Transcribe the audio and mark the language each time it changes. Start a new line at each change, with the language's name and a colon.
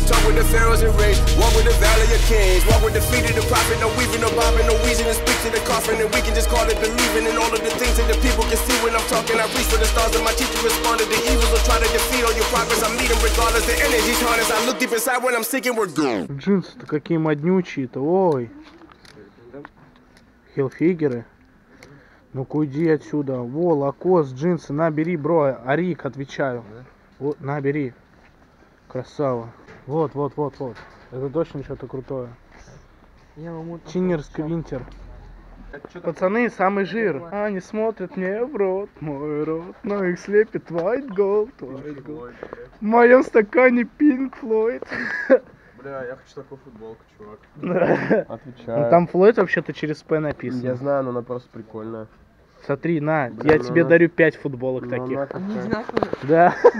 English: Talk with the pharaohs and rage, walk with the valley of kings. Walk with the feet of the prophet, no weaving, no bobbing, no wheezing. And speak to the coffin, and we can just call it believing. And all of the things that the people can see when I'm talking. I reach for the stars, and my teacher responded. The evils will try to defeat all your progress. I'm meeting regardless, the energy's harness. I look deep inside when I'm seeking, we're gone.
Russian: Джинсы-то какие моднючие-то, ой. Хилфигеры. Ну-ка уйди отсюда. Во, Лакос, джинсы, набери, бро. Арик, отвечаю. Вот, набери. Красава. Вот, вот, вот, вот. Это точно что-то крутое. Я вам вот Чинер сквинтер. Пацаны, самый жир. Они смотрят мне в рот, мой рот. Но их слепит
English: white gold, white gold.
Russian: В моем стакане Pink Floyd. Бля, я хочу такую футболку, чувак. Отвечаю. Ну там Флойд вообще-то через П написано. Я знаю, но она просто прикольная. Смотри, на, бля, я тебе дарю 5 футболок таких. Не знаю. Да.